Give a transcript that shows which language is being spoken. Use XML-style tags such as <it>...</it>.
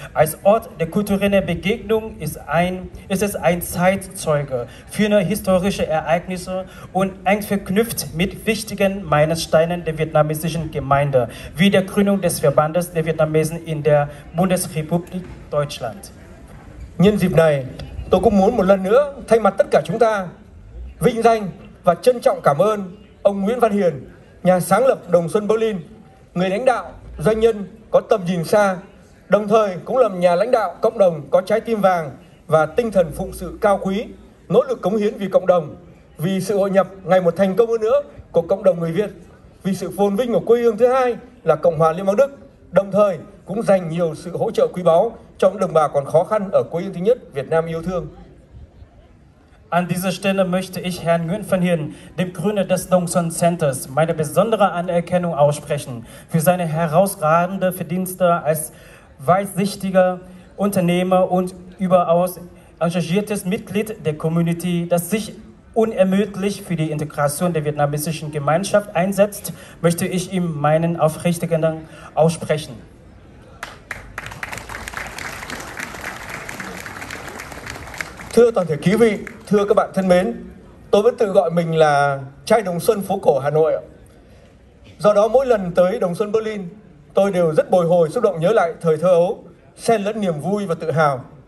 <de>Als Ort der kulturellen Begegnung ist es ein Zeitzeuge für historische Ereignisse und eng verknüpft mit wichtigen Meilensteinen der vietnamesischen Gemeinde, wie der Gründung des Verbandes der Vietnamesen in der Bundesrepublik Deutschland.</de> <vi>Nhân dịp này, tôi cũng muốn một lần nữa thay mặt tất cả chúng ta vinh danh và trân trọng cảm ơn ông Nguyễn Văn Hiền, nhà sáng lập Đồng Xuân Berlin, người lãnh đạo doanh nhân có tầm nhìn xa, đồng thời cũng là nhà lãnh đạo cộng đồng có trái tim vàng và tinh thần phụng sự cao quý, nỗ lực cống hiến vì cộng đồng, vì sự hội nhập ngày một thành công hơn nữa của cộng đồng người Việt, vì sự phồn vinh của quê hương thứ hai là Cộng hòa Liên bang Đức, đồng thời cũng dành nhiều sự hỗ trợ quý báu cho đồng bào còn khó khăn ở quê hương thứ nhất Việt Nam yêu thương.</vi> <de>An dieser Stelle möchte ich Herrn Nguyễn Văn Hiền, dem Gründer des Dongson Centers, meine besondere Anerkennung aussprechen für seine herausragende Verdienste als weitsichtiger Unternehmer und überaus engagiertes Mitglied der Community, das sich unermüdlich für die Integration der vietnamesischen Gemeinschaft einsetzt, möchte ich ihm meinen aufrichtigen Dank aussprechen.</de> <vi>Thưa toàn thể quý vị, thưa các bạn thân mến, tôi vẫn tự gọi mình là trai Đồng Xuân phố cổ Hà Nội. Do đó mỗi lần tới Đồng Xuân Berlin, tôi đều rất bồi hồi xúc động nhớ lại thời thơ ấu, xen lẫn niềm vui và tự hào.</vi>